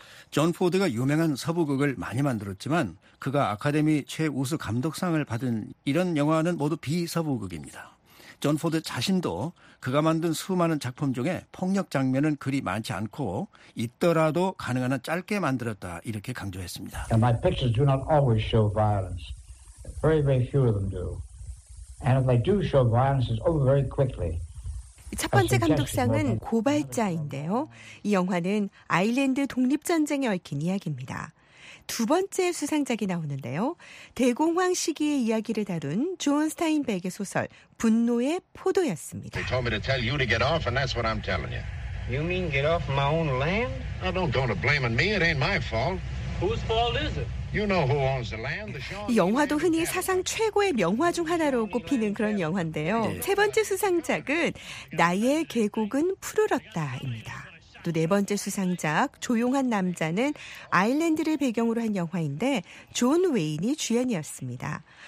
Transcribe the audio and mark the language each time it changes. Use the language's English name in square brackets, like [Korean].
[Korean] 존 포드가 유명한 서부극을 많이 만들었지만 그가 아카데미 최우수 감독상을 받은 이런 영화는 모두 비서부극입니다. 존 포드 자신도 그가 만든 수많은 작품 중에 폭력 장면은 그리 많지 않고 있더라도 가능한 한 짧게 만들었다 이렇게 강조했습니다. [English] And my pictures do not always show violence. Very, very few of them do. And if they do show violence, it's over very quickly. [Korean] 첫 번째 감독상은 고발자인데요. 이 영화는 아일랜드 독립전쟁에 얽힌 이야기입니다. 두 번째 수상작이 나오는데요. 대공황 시기의 이야기를 다룬 존 스타인백의 소설 분노의 포도였습니다. [English] They told me to tell you to get off and that's what I'm telling you. You mean get off my own land? Now don't go to blaming me. It ain't my fault. Whose fault is it? You know who owns the land, the Sean. [Korean] 이 영화도 흔히 사상 최고의 명화 중 하나로 꼽히는 그런 영화인데요. 네. 세 번째 수상작은 나의 계곡은 푸르렀다입니다. 또 네 번째 수상작 조용한 남자는 아일랜드를 배경으로 한 영화인데 존 웨인이 주연이었습니다.